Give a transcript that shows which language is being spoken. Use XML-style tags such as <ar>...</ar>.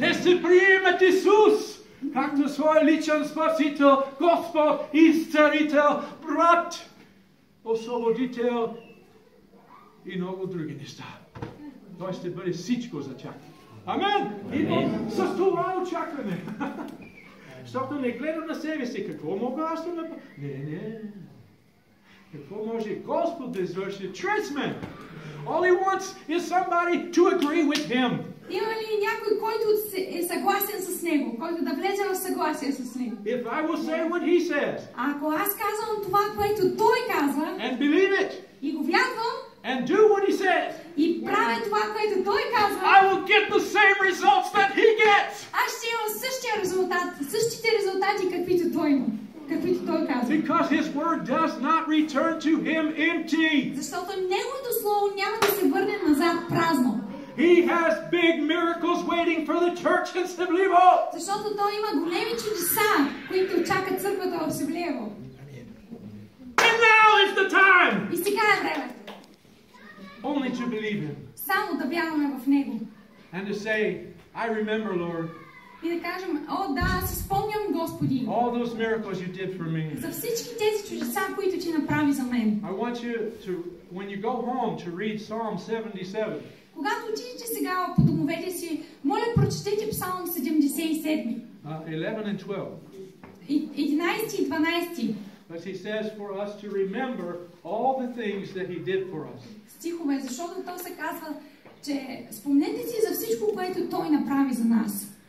<bg>Те ще приемат Исус както своя личен спасител, Господ, изцерител, брат, освободител и много други неща. Той ще бъде всичко за тях. Амин! Идем с това очакване. Защото не гледам на себе си. Какво мога аз да направя? Не, не. Какво може Господ да извърши чрез мен?</bg> <en>All he wants is somebody to agree with him.</en> <bg>Има ли някой, който е съгласен с него? Който да влезе в съгласие с него?</bg> <en>If I will say what he says.</en> <bg>Ако аз казвам това, което той казва.</bg> <en>And believe it.</en> <bg>И го вярвам.</bg> <en>And do what he says.</en> <bg>И правя това, което той казва.</bg> <en>I will get the same results that he gets.</en> <bg>Аз ще имам същия резултат, същите резултати, каквито той има.</bg> <en>Because his word does not return to him empty.</en> <bg>Защото неговото слово няма да се върне назад празно.</bg> <en>He has big miracles waiting for the church in Sevlievo.</en> <bg>Защото той има големи чудеса, които чакат църквата в Севлиево.</bg> <en>And now is the time.</en> <bg>И сега е времето.</bg> <en>Only to believe him.</en> <bg>Само да вярваме в него.</bg> <en>And to say, I remember, Lord.</en> <bg>И да кажем, о да, се спомням, Господи.</bg> <en>All those miracles you did for me.</en> <bg>За всички тези чудеса, които ти направи за мен.</bg> <en>I want you to, when you go home, to read Psalm 77.</en> <bg>Когато отидете сега по домовете си, моля, прочетете Псалом 77.</bg> <en>11 and 12.</en> <bg>11 и 12.</bg> <en>As he says for us to remember all the things that he did for us.</en> <bg>Стихове, защото то се казва, че спомнете си за всичко, което той направи за нас.</bg>